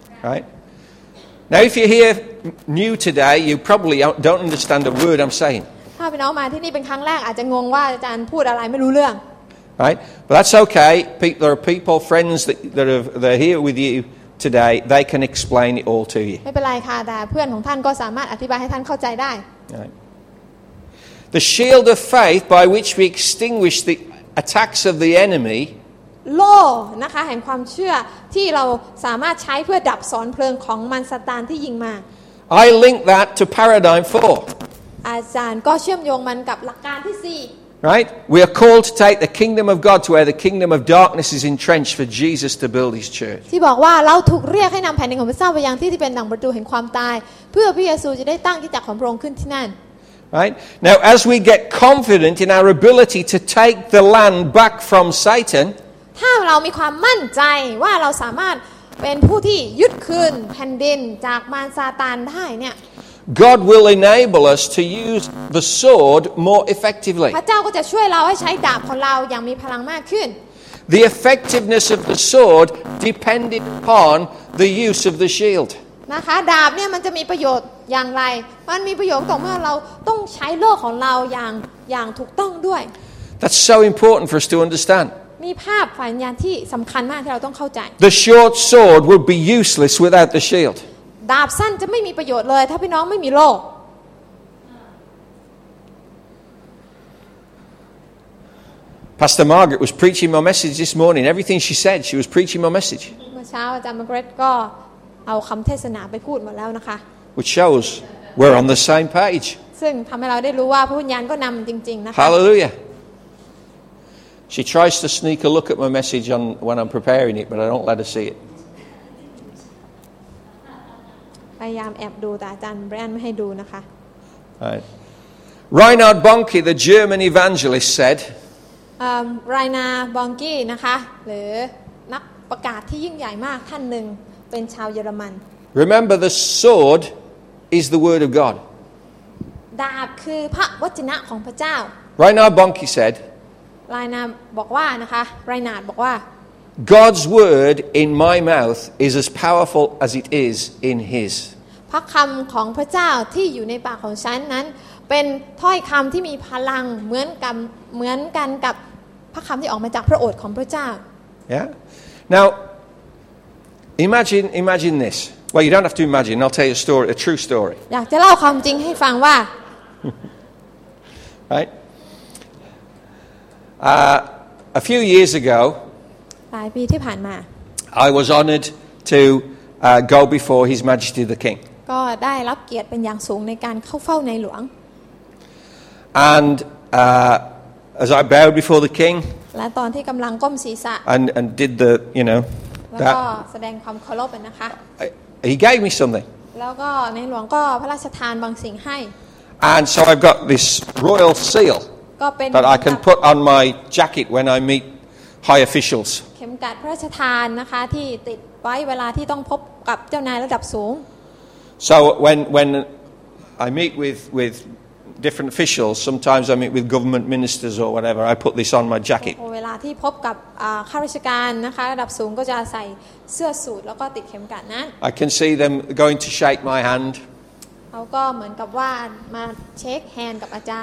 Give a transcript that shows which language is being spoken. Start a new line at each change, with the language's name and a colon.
English: Right Now if you're here new today you probably don't understand a word I'm saying
Thai: ถ้าพี่น้องมาที่นี่เป็นครั้งแรกอาจจะงงว่าอาจารย์พูดอะไรไม่รู้เรื่อง
English: Right But that's okay there are people friends that are here with you today, they can explain it all to you.
Thai: ไม่เป็นไรค่ะแต่เพื่อนของท่านก็สามารถอธิบายให้ท่านเข้าใจได้
English: The shield of faith by which we extinguish the attacks of the enemy.
Thai: โล่นะคะแห่งความเชื่อที่เราสามารถใช้เพื่อดับสอนเพลิงของมันซาตานที่ยิงมา
English: I link that to paradigm 4.
Thai: อาจารย์ก็เชื่อมโยงมันกับหลักการที่4
English: Right, we are called to take the kingdom of God to where the kingdom of darkness is entrenched for Jesus to build His church.
Thai: ที่บอกว่าเราถูกเรียกให้นำแผ่นดินของพระเจ้าไปยังที่ที่เป็นหนังประตูแห่งความตายเพื่อพระเยซูจะได้ตั้งคริสตจักรของพระองค์ขึ้นที่นั่น
English: Right, now as we get confident in our ability to take the land back from Satan,
Thai: ถ้าเรามีความมั่นใจว่าเราสามารถเป็นผู้ที่ยึดคืนแผ่นดินจากมารซาตานได้เนี่ย
English: God will enable us to use the sword more effectively.
Thai: พระเจ้าก็จะช่วยเราให้ใช้ดาบของเราอย่างมีพลังมากขึ้น
English: The effectiveness of the sword depended upon the use of the shield.
Thai: นะคะดาบเนี่ยมันจะมีประโยชน์อย่างไรมันมีประโยชน์ต่อเมื่อเราต้องใช้โล่ของเราอย่างถูกต้องด้วย
English: That's so important for us to understand.
Thai: มีภาพฝ่ายญาณที่สำคัญมากที่เราต้องเข้าใจ
English: The short sword would be useless without the shield.
Thai: ดาบสั้นจะไม่มีประโยชน์เลยถ้าพี่น้องไม่มีโล่
English: Pastor Margaret was preaching my message this morning. Everything she said, she was preaching my message.
Thai: เมื่อเช้าอาจารย์ Margaret ก็เอาคำเทศนาไปพูดหมดแล้วนะคะ
English: Which shows we're on the same page.
Thai: ซึ่งทำให้เราได้รู้ว่าพระวิญญาณก็นำจริงๆนะคะ
English: Hallelujah. She tries to sneak a look at my message on when I'm preparing it, but I don't let her see it.
Thai: พยายามแอบดูแต่อาจารย์แบรนด์ไม่ให้ดูนะคะ
English: Reinhard Bonnke the German evangelist said
Thai: Reinhard Bonnke นะคะหรือนักประกาศที่ยิ่งใหญ่มากท่านหนึ่งเป็นชาวเยอรมัน
English: Remember the sword is the word of God
Thai: ดาบคือพระวจนะของพระเจ้า
English: Reinhard Bonnke said
Thai: Reinhard บอกว่านะคะ Reinhard บอกว่า
English: God's word in my mouth is as powerful as it is in His.
Thai: พระคำของพระเจ้าที่อยู่ในปากของฉันนั้นเป็นถ้อยคำที่มีพลังเหมือนกันกับพระคำที่ออกมาจากพระโอษฐ์ของพระเจ้า
English: Yeah. Now, imagine this. Well, you don't have to imagine. I'll tell you a story, a true story.
Thai: อยากจะเล่าความจริงให้ฟังว่า
English: Right. A few years ago.
Thai: หลายปีที่ผ่านมา
English: I was honored to go before His Majesty the King
Thai: ก็ได้รับเกียรติเป็นอย่างสูงในการเข้าเฝ้าในหลวง
English: And as I bowed before the King
Thai: และตอนที่กำลังก้มศีรษะ
English: and did the you know
Thai: แล้วก็แสดงความเคารพนะคะ
English: He gave me something
Thai: แล้วก็ในหลวงก็พระราชทานบางสิ่งให้
English: And so I've got this royal seal that I can put on my jacket when I meetHigh officials.
Thai: เข็มกลัดพระราชทานนะคะที่ติดไว้เวลาที่ต้องพบกับเจ้านายระดับสูง
English: So when I meet with different officials, sometimes I meet with government ministers or whatever. I put this on my jacket.
Thai: เวลาที่พบกับข้าราชการนะคะระดับสูงก็จะใส่เสื้อสูทแล้วก็ติดเข็มกลัดนั้น
English: I can see them going to shake my hand.
Thai: เขาก็เหมือนกับว่ามาเช็คแฮนด์กับอาจารย